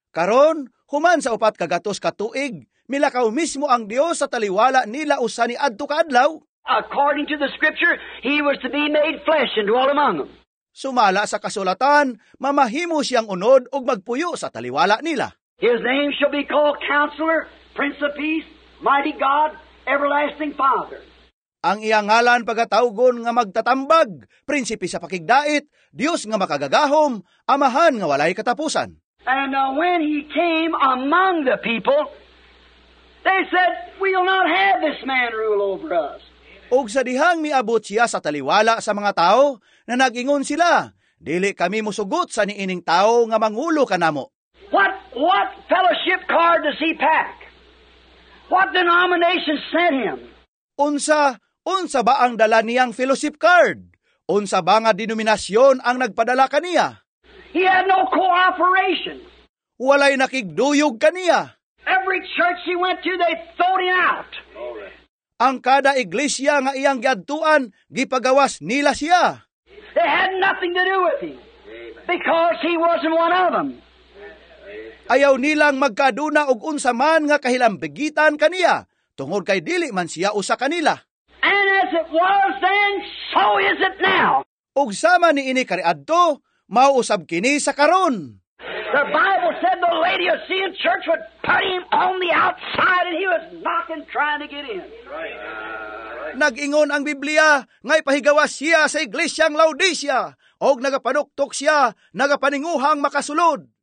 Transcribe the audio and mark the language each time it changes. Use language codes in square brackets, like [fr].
[ceb] Karon, human sa upat kagatos katuig, milakaw mismo ang Dios sa taliwala nila usa ni adto kadlaw. [en] According to the scripture, he was to be made flesh and dwell among them. [ceb] Sumala sa kasulatan, mamahimo siyang unod ug magpuyo sa taliwala nila. [en] His name shall be called Counselor, Prince of Peace, Mighty God, Everlasting Father. [ceb] Ang iyang ngalan pagatawgon nga magtatambag, prinsipe sa pakigdait, Dios nga makagagahom, amahan nga walay katapusan. [en] And when he came among the people, they said, "We'll not have this man rule over us." [ceb] Ug sa dihang miabot siya sa taliwala sa mga tao, na nagingon sila, "Dili kami musugot sa niining tao nga mangulo kanamo." [en] What fellowship card does he pack? What denomination sent him? [ceb] Unsa ba ang dala niyang fellowship card? Unsa ba nga denominasyon ang nagpadala kaniya? [en] He had no cooperation. [ceb] Walay nakigduyog kaniya. [en] Every church he went to, they thrown him out. [ceb] Ang kada iglesia nga iyang giadtuan, gipagawas nila siya. [en] They had nothing to do with him because he wasn't one of them. [ceb] Ayaw nilang magkaduna og unsa man nga kahilambigitan kaniya, tungod kay dili man siya usa kanila. [en] And as it was then, so is it now. [ceb] Ug sama ni ini kariadto, mao usab kini sa karon. [en] The Bible said the lady of sin church would put him on the outside and he was knocking trying to get in. [ceb] Nagingon ang Biblia, ngay pahigawas siya sa iglesyang Laodicea, og nagapanuktok siya, nagapaninguhang makasulod.